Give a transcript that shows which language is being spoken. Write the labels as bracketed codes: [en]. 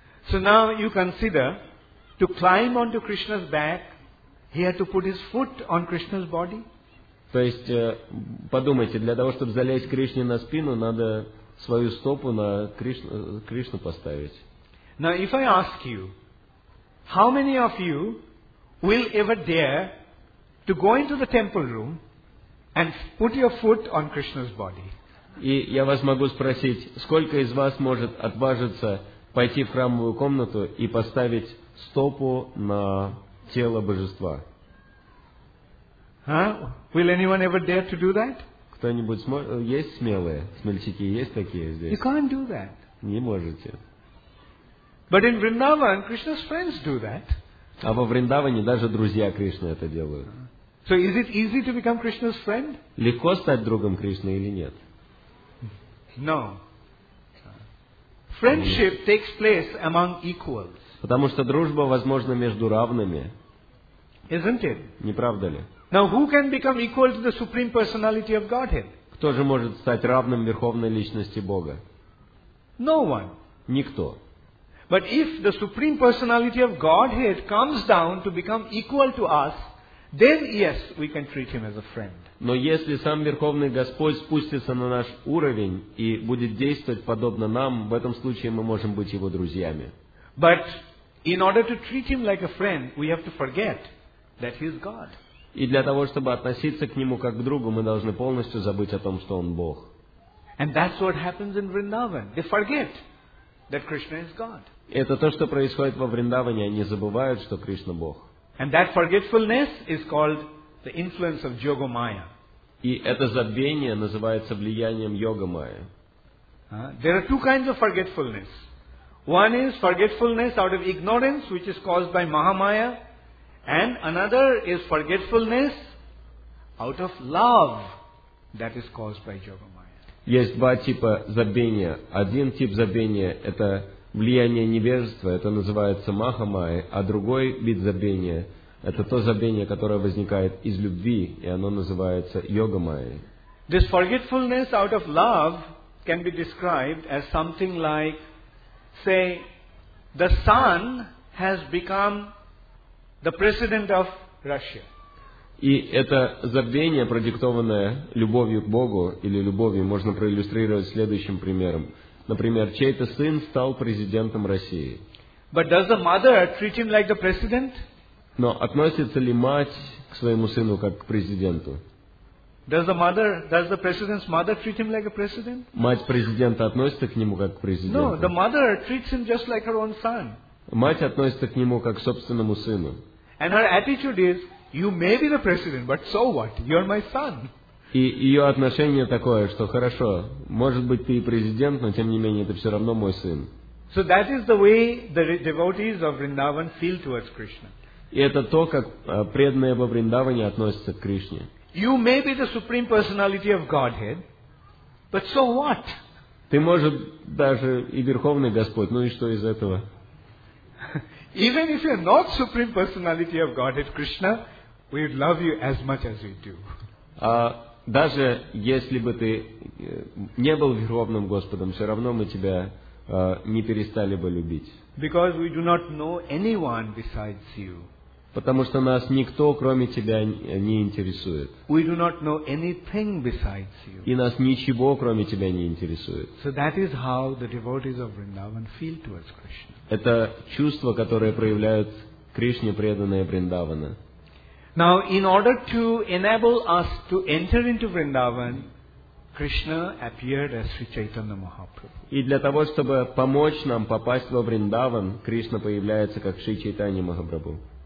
[en] So now you consider to climb onto Krishna's back, he had to put his foot on Krishna's body. [ru] То есть подумайте, для того чтобы залезть Кришне на спину, надо свою стопу на Кришну поставить. [en] Now if I ask you, how many of you will ever dare to go into the temple room and put your foot on Krishna's body? [ru] И я вас могу спросить, сколько из вас может отважиться пойти в храмовую комнату и поставить стопу на тело божества? [en] Will anyone ever dare to do that? [ru] Кто-нибудь есть смелые? Смельчаки есть такие здесь? [en] You can't do that. [ru] Не можете. [en] But in Vrindavan, Krishna's friends do that. [ru] А во Вриндаване даже друзья Кришны это делают. [en] So is it easy to become Krishna's friend? [ru] Легко стать другом Кришны или нет? [en] No. Friendship takes place among equals. [ru] Потому что дружба возможна между равными. [en] Isn't it? [ru] Не правда ли? [en] Now who can become equal to the Supreme Personality of Godhead? [ru] Кто же может стать равным Верховной Личности Бога? [en] No one. [ru] Никто. [en] But if the Supreme Personality of Godhead comes down to become equal to us, then yes, we can treat him as a friend. [ru] Но если сам Верховный Господь спустится на наш уровень и будет действовать подобно нам, в этом случае мы можем быть его друзьями. [en] But in order to treat him like a friend, we have to forget that he is God. [ru] И для того, чтобы относиться к нему как к другу, мы должны полностью забыть о том, что он Бог. [en] And that's what happens in Vrindavan. They forget that Krishna is God. [ru] Это то, что происходит во Вриндаване, они забывают, что Кришна Бог. [en] And that forgetfulness is called the influence of Yoga Maya. [ru] И это забвение называется влиянием Йога Майя. [en] There are two kinds of forgetfulness. One is forgetfulness out of ignorance, which is caused by Mahamaya, and another is forgetfulness out of love, that is caused by Yoga Maya. [ru] Есть два типа забвения. Один тип забвения – это влияние невежества, это называется махамая, а другой вид забвения – это то забвение, которое возникает из любви, и оно называется йогамая. [en] This forgetfulness out of love can be described as something like, say, the sun has become the president of Russia. [ru] И это забвение, продиктованное любовью к Богу или любовью, можно проиллюстрировать следующим примером. Например, чей-то сын стал президентом России. [en] But does the mother treat him like the president? [ru] Но относится ли мать к своему сыну как к президенту? [en] Does the president's mother treat him like a president? [ru] Мать президента относится к нему как к президенту? [en] No, the mother treats him just like her own son. [ru] Мать относится к нему как к собственному сыну. [en] And her attitude is, you may be the president, but so what? You're my son. [ru] И ее отношение такое, что хорошо, может быть ты и президент, но тем не менее это все равно мой сын. [en] So that is the way the devotees of Vrindavan feel towards Krishna. [ru] И это то, как преданные во Вриндаване относятся к Кришне. [en] You may be the supreme personality of Godhead, but so what? [ru] Ты может даже и верховный Господь, ну и что из этого? [en] Even if you're not supreme personality of Godhead, Krishna, we would love you as much as we do. [ru] А даже если бы ты не был верховным Господом, все равно мы тебя не перестали бы любить. [en] Because we do not know anyone besides you. [ru] Потому что нас никто, кроме тебя, не интересует. [en] We do not know anything besides you. [ru] И нас ничего, кроме тебя, не интересует. [en] So that is how the devotees of Vrindavan feel towards Krishna. [ru] Это чувство, которое проявляют Кришне преданные Вриндавана. [en] Now, in order to enable us to enter into Vrindavan, Krishna appeared as Sri Chaitanya Mahaprabhu. [ru] И для того, чтобы помочь нам попасть во Вриндаван, Кришна появляется как Шри Чайтанья Махапрабху.